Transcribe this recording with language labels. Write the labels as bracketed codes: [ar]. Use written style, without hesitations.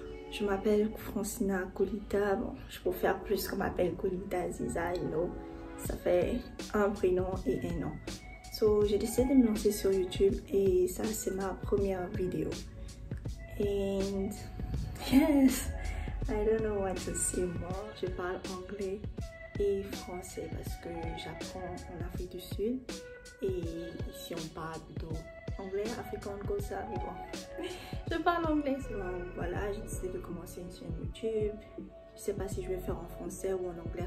[fr] Je m'appelle Francina Collita. Bon, je préfère plus qu'on m'appelle Collita ZIZA, [en] you know. [fr] Ça fait un prénom et un nom. So, j'ai décidé de me lancer sur YouTube et ça, c'est ma première vidéo. [en] And yes, I don't know what to say more. [fr] Je parle anglais et français parce que j'apprends en Afrique du Sud et ici on parle plutôt anglais, africain, comme ça, mais bon, je parle anglais. Donc voilà, j'ai décidé de commencer une chaîne YouTube. Je sais pas si je vais faire en français ou en anglais.